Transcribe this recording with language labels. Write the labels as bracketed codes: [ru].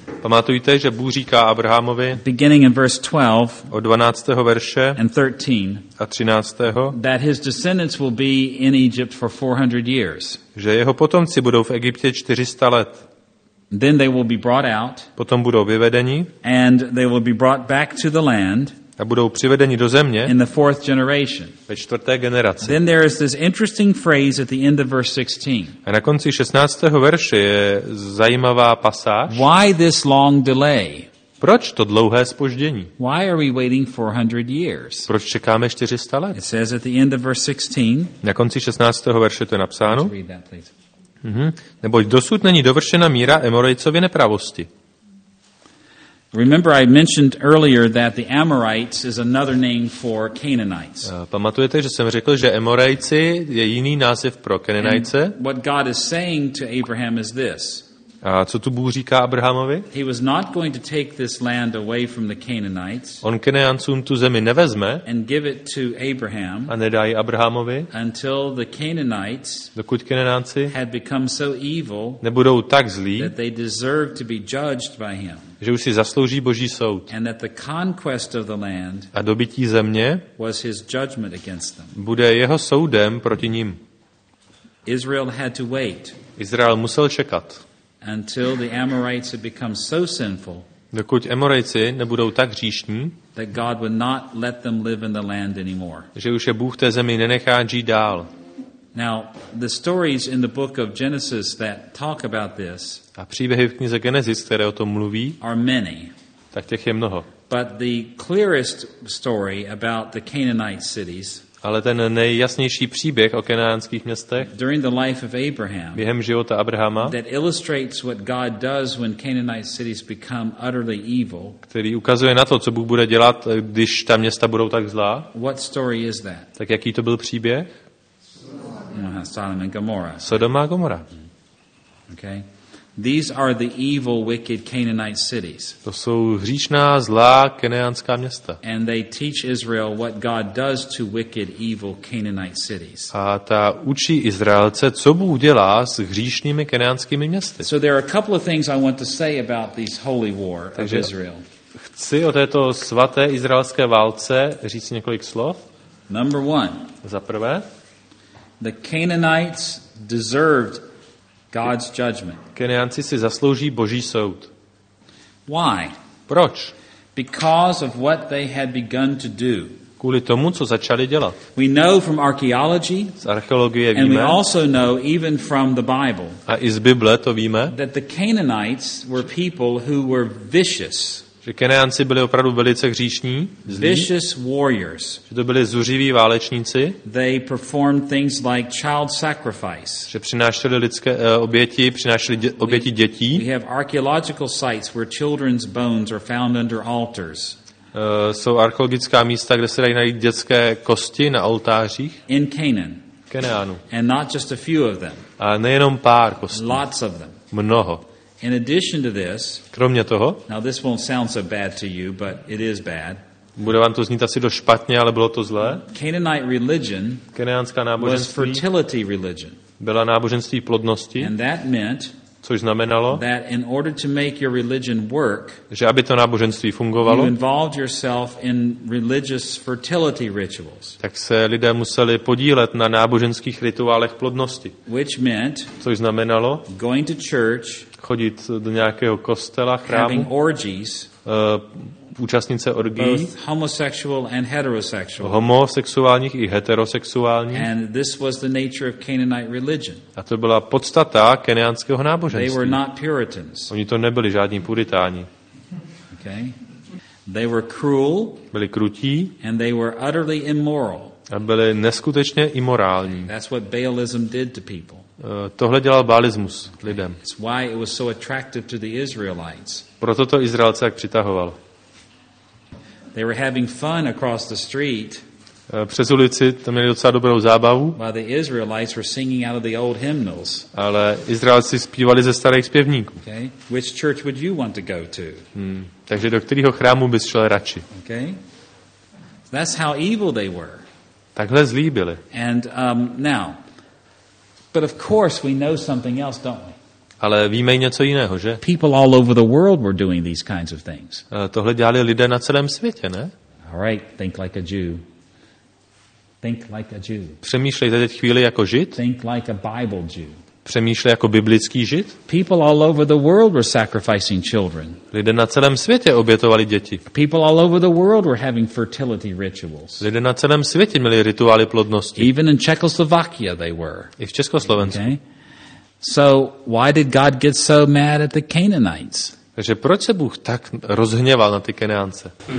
[cs] Pamatujte, že Bůh říká Abrahamovi. [en] Beginning in verse 12. [cs] Od 12. verše. [en] And 13. [cs] A 13. [en] That his descendants will be in Egypt for 400 years. [cs] Že jeho potomci budou v Egyptě 400 let. [en] Then they will be brought out. [cs] Potom budou vyvedeni. [en] And they will be brought back to the land. [cs] A budou přivedeni do země. [en] In the fourth generation. [cs] Ve čtvrté generaci. [en] Then there is this interesting phrase at the end of verse 16. [cs] A na konci 16. verše je zajímavá pasáž. [en] Why this long delay? [cs] Proč to dlouhé zpoždění? [en] Why are we waiting 400 years? [cs] Proč čekáme 400 let? [en] It says at the end of verse 16. [cs] Na konci 16. verše to je napsáno. Mm-hmm. Neboť dosud není dovršena míra Amorejcově nepravosti. [en] Remember I mentioned earlier that the Amorites is another name for Canaanites. [cs] Pamatujete, že jsem řekl, že Amorejci je jiný název pro Kenanejce? [en] What God is saying to Abraham is this. [cs] A co tu Bůh říká Abrahamovi? [en] He was not going to take this land away from the Canaanites. [cs] On Kenancům tu zemi nevezme. [en] And give it to Abraham. [cs] A nedá ji Abrahamovi. [en] Until the Canaanites. [cs] Dokud Kenanejci. [en] Had become so evil. [cs] Nebudou tak zlí. [en] That they deserve to be judged by him. [cs] Že už si zaslouží Boží soud. [en] And that the conquest of the land. [cs] A dobytí země. [en] Was his judgment against them. [cs] Bude jeho soudem proti ním. [en] Israel had to wait. [cs] Izrael musel čekat. [en] Until the Amorites had become so sinful. [cs] Dokud Amorejci nebudou tak hříšní. [en] That God would not let them live in the land anymore. [cs] Že už je Bůh té zemi nenechá žít dál. [en] Now, the stories in the book of Genesis that talk about this. [cs] A příběhy v knize Genesis, které o tom mluví. [en] Are many. [cs] Tak těch je mnoho. [en] But the clearest story about the Canaanite cities. [cs] Ale ten nejjasnější příběh o kanaánských městech. [en] During the life of Abraham. [cs] Během života Abrahama. [en] That illustrates what God does when Canaanite cities become utterly evil. [cs] Který ukazuje na to, co Bůh bude dělat, když ta města budou tak zlá. [en] What story is that? [cs] Tak jaký to byl příběh? Sodom a Gomorra. Sodom a Gomorra. [en] Okay. These are the evil, wicked Canaanite cities. [cs] To jsou hříšná, zlá kenaanská města. [en] And they teach Israel what God does to wicked, evil Canaanite cities. [cs] A ta učí Izraelce, co Bůh dělá s hříšnými kenaanskými městy. [en] So there are a couple of things I want to say about this holy war of Israel. [cs] Chci o této svaté izraelské válce říct několik slov. [en] Number one. [cs] Za prvé. [en] The Canaanites deserved God's judgment. [cs] Kenánci si zaslouží Boží soud. [en] Why? [cs] Proč? [en] Because of what they had begun to do. [cs] Kvůli tomu, co začali dělat. [en] We know from archaeology, [cs] z archeologie víme, [en] and we also know even from the Bible, [cs] a i z Bible to víme, [en] that the Canaanites were people who were vicious. [cs] Že Kenánci byli opravdu velice hříšní, zlí, [en] vicious warriors. [cs] Že to byli zuřiví válečníci. [en] They performed things like child sacrifice. [cs] Že přinášeli lidské oběti, přinášeli oběti dětí. [en] We have archaeological sites where children's bones are found under altars. [cs] Jsou archeologická místa, kde se dají najít dětské kosti na oltářích. [en] In Canaan. [cs] Kenánu. [en] And not just a few of them. [cs] A nejenom pár kostí. [en] Lots of them. [cs] Mnoho. [en] In addition to this, [cs] kromě toho, [en] now this won't sound so bad to you, but it is bad. [cs] Bude vám to znít asi dost špatně, ale bylo to zlé. [en] Canaanite religion, [cs] kenánská náboženství, [en] was fertility religion. [cs] Byla náboženství plodnosti. [en] And that meant, [cs] což znamenalo, [en] that in order to make your religion work, [cs] že aby to náboženství fungovalo, [en] you involved yourself in religious fertility rituals. [cs] Tak se lidé museli podílet na náboženských rituálech plodnosti. [en] Which meant, [cs] což znamenalo, [en] going to church, [cs] chodit do nějakého kostela, chrámu, [en] orgies, [cs] účastnit se orgií, [en] homosexual and heterosexual, [cs] homosexuálních i heterosexuálních. [en] And this was the nature of Canaanite religion. [cs] A to byla podstata kenianského náboženství. [en] They were not Puritans. [cs] Oni to nebyli žádní puritáni. [en] Okay. They were cruel, [cs] byli krutí, [en] and they were utterly immoral. [cs] A byli neskutečně imorální. [en] That's what Baalism did to people. [cs] Tohle dělal baalismus lidem. [en] It's why it was so attractive to the Israelites. [cs] Proto to Izraelce tak přitahovalo. [en] They were having fun across the street. [cs] Přes ulici tam měli docela dobrou zábavu. [en] While the Israelites were singing out of the old hymnals. [cs] Ale Izraelci zpívali ze starých zpěvníků. [en] Okay. Which church would you want to go to? [cs] Takže do kterého chrámu bys šel radši? [en] Okay. That's how evil they were. [cs] Takhle zlí byli. [en] And now, but of course we know something else, don't we? [cs] Ale víme i něco jiného, že? [en] People all over the world were doing these kinds of things. [cs] Tohle dělali lidé na celém světě, ne? [en] All right, think like a Jew. Think like a Jew. [cs] Přemýšlejte teď chvíli jako Žid. [en] Think like a Bible Jew. [cs] Přemýšlej jako biblický Žid. [en] People all over the world were sacrificing children. [cs] Lidé na celém světě obětovali děti. [en] People all over the world were having fertility rituals. [cs] Lidé na celém světě měli rituály plodnosti. [en] Even in Czechoslovakia they were. [cs] I v Československu. [en] Okay. So why did God get so mad at the Canaanites? [cs] Takže proč se Bůh tak rozhněval na ty Kenánce?